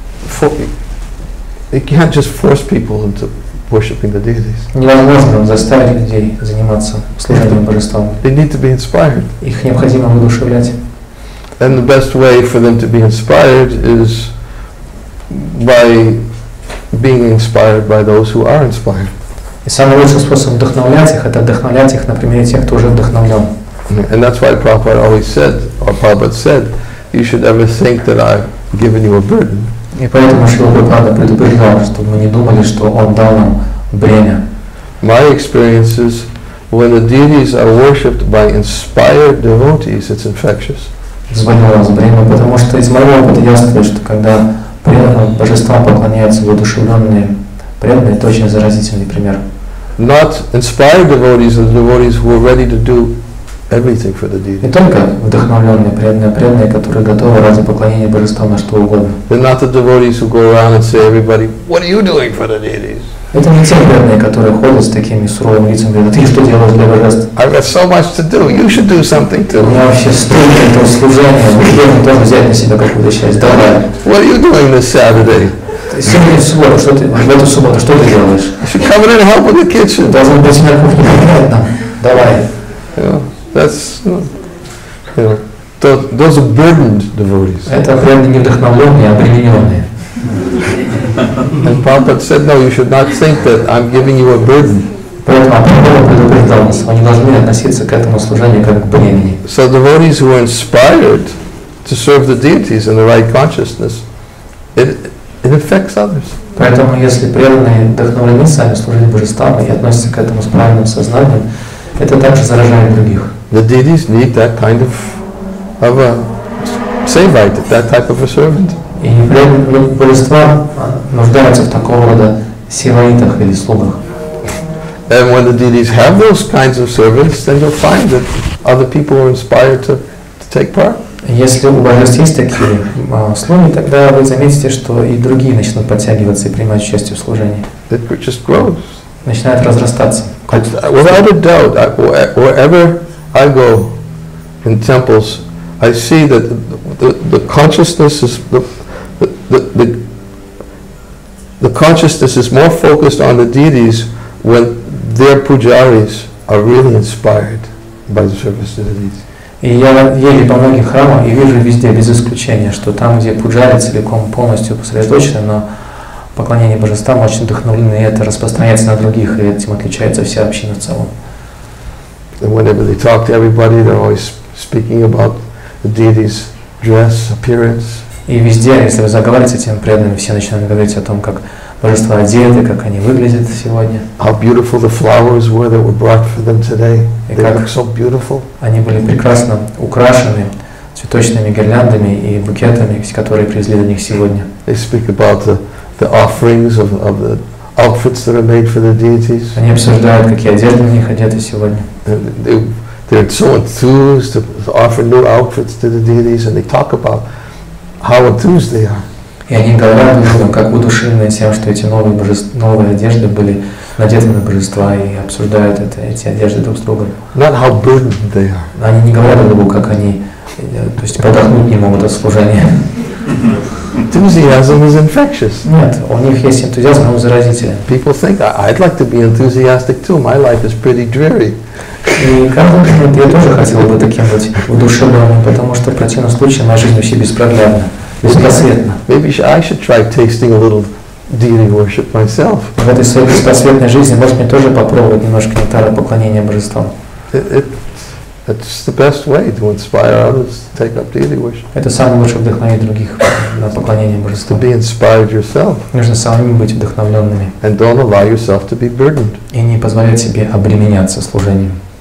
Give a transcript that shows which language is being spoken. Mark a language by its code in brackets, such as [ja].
[en] So you can't just force people into worshiping the deities. [ru] Невозможно заставить людей заниматься служением божествам. [en] They need to be inspired. [ru] Их необходимо воодушевлять. [en] And the best way for them to be inspired is by being inspired by those who are inspired. [ru] И самый лучший способ вдохновлять их — это вдохновлять их на примере тех, кто уже вдохновлен. [en] And that's why Prabhupada always said, or Prabhupada said, you should never think that I've given you a burden. [ru] И поэтому Шрила Прабхупада предупреждал, чтобы мы не думали, что он дал нам бремя. [en] My experience is, when the deities are worshipped by inspired devotees, it's infectious. [ru] Звонило с бремя, потому что из моего опыта ясно, что когда преданным божествам поклоняются воодушевленные преданные, это очень заразительный пример. [en] Not inspired devotees, the devotees who are ready to do everything for the deity. [ru] Не только вдохновленные преданные, преданные, которые готовы ради поклонения божествам на что угодно. [en] They're not the devotees who go around and say everybody, what are you doing for the deities? [ru] Это не те преданные, которые ходят с такими суровыми лицами и говорят, ты что делаешь для божеств? [en] I've got so much to do. You should do something too. [ru] У меня вообще столько этого служения. Вы должны тоже взять на себя какую-то часть. Давай. [en] What are you doing this Saturday? [ru] Сегодня суббота. Что ты в эту субботу? Что ты делаешь? [en] You should come in and help with the kitchen. [ru] Должен быть на кухне. Понятно. Давай. [en] Yeah. Those are burdened devotees. [ru] Это преданные не вдохновленные, а обремененные. [en] And Prabhupada said, no, you should not think that I'm giving you a burden. [ru] Поэтому Прабхупада предупреждал нас, они должны относиться к этому служению как к бремени. [en] So devotees who are inspired to serve the deities in the right consciousness, it affects others. [ru] Поэтому если преданные вдохновлены сами служить божествам и относятся к этому с правильным сознанием, это также заражает других. [en] The deities need that kind of a sevite, that type of a servant. [ru] И божества нуждаются в такого рода севаитах или слугах. [en] And when the deities have those kinds of servants, then you'll find that other people are inspired to take part. [ru] Если у божеств есть такие слуги, тогда вы заметите, что и другие начнут подтягиваться и принимать участие в служении. [en] It just grows. [ru] Начинает разрастаться. [en] Without a doubt, wherever I go in temples, I see that the consciousness is more focused on the deities when their pujaris are really inspired by the service to the deities. [ru] И я еду по многим храмам и вижу везде без исключения, что там, где пуджари целиком полностью сосредоточены на поклонение божествам, очень вдохновлены, и это распространяется на других, и этим отличается вся община в целом. [en] And whenever they talk to everybody, they're always speaking about the deity's dress, appearance. [ru] И везде, если вы заговариваете с этими преданными, все начинают говорить о том, как божества одеты, как они выглядят сегодня. [en] How beautiful the flowers were that were brought for them today. They look so beautiful. [ru] Они были прекрасно украшены цветочными гирляндами и букетами, которые привезли до них сегодня. [en] They speak about the offerings of the outfits that are made for the deities. [ru] Они обсуждают, какие одежды на них одеты сегодня. [en] They're so enthused to offer new outfits to the deities, and they talk about how enthused they are. [ru] И они говорят людям, как удушенные тем, что эти новые одежды были надеты на божества, и обсуждают это, эти одежды друг с другом. [en] Not how burdened they are. [ru] Они не говорят друг другу, как они, то есть, подохнуть не могут от служения. [en] Enthusiasm is infectious. [ru] Нет, у них есть энтузиазм, он заразителен. [en] People think, I'd like to be enthusiastic too. My life is pretty dreary. [ru] И каждый момент я тоже хотел бы таким быть воодушевленным, потому что в противном случае моя жизнь вообще беспроглядна, беспросветна. [en] Maybe I should try tasting a little deity worship myself. [ru] В этой своей беспросветной жизни может мне тоже попробовать немножко нектара поклонения божествам. [en] It's the best way to inspire others to take up deity worship. [ru] Это самое лучшее вдохновение других на поклонение божествам. [en] To be inspired yourself. [ru] Нужно самим быть вдохновленными. [en] And don't allow yourself to be burdened. [ru] И не позволять себе обременяться служением.